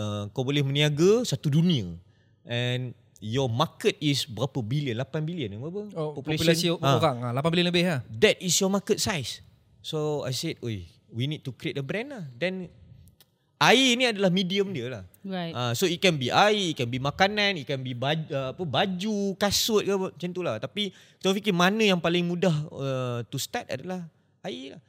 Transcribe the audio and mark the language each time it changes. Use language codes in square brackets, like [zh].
[ms] Kau boleh meniaga satu dunia. [en] And your market is [ms] berapa bilion? 8 bilion ke apa? Oh, populasi orang. 8 bilion lebih. [en] That is your market size. So I said, oi, we need to create a brand lah. [ms] Then air ni adalah medium dia lah. [en] Right. So it can be air, it can be makanan, it can be baju, [ms] kasut ke macam tu lah. Tapi kita fikir mana yang paling mudah [en] to start [ms] adalah air lah.